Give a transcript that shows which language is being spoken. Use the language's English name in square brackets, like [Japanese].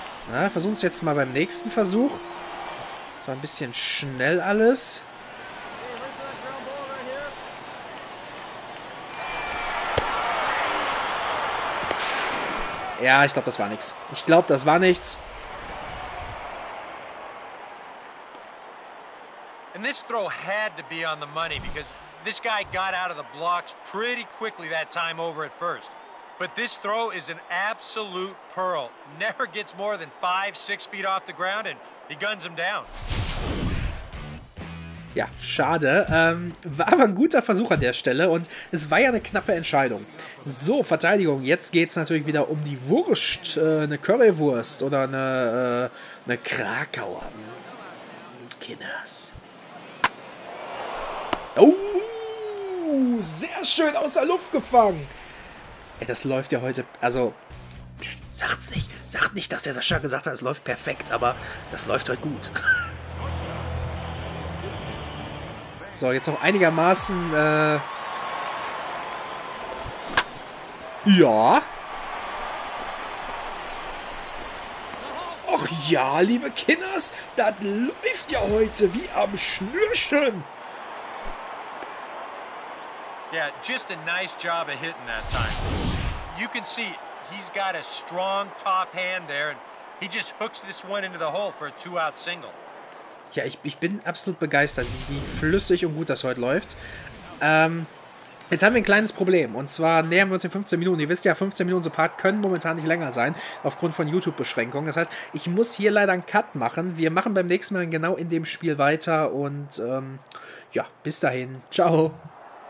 [German] Na, versuchen es jetzt mal beim nächsten Versuch. Das war ein bisschen schnell alles. Ja, ich glaube, das war nichts. Ich glaube, das war nichts. [English] And this throw had to be on the money because this guy got out of the blocks pretty quickly that time over at first. But this throw is an absolute pearl. Never gets more than 5-6 feet off the ground and he guns him down. [German] Ja, schade. War aber ein guter Versuch an der Stelle und es war ja eine knappe Entscheidung. So, Verteidigung, jetzt geht's natürlich wieder um die Wurst. Eine Currywurst oder eine Krakauer. Kinders. Oh, sehr schön aus der Luft gefangen. Ey, das läuft ja heute, also, sagt's nicht. Sagt nicht, dass der Sascha gesagt hat, es läuft perfekt, aber das läuft heute gut. So, jetzt noch einigermaßen, ja. Och ja, liebe Kinders, das läuft ja heute wie am Schnürchen. [English] Yeah, just a nice job of hitting that time. You can see he's got a strong top hand there and he just hooks this one into the hole for a two-out single. [German] Ja, ich bin absolut begeistert, wie flüssig und gut das heute läuft. Jetzt haben wir ein kleines Problem und zwar nähern wir uns in 15 Minuten. Ihr wisst ja, 15 Minuten so Part können momentan nicht länger sein, aufgrund von YouTube-Beschränkungen. Das heißt, ich muss hier leider einen Cut machen. Wir machen beim nächsten Mal genau in dem Spiel weiter und ja, bis dahin. Ciao.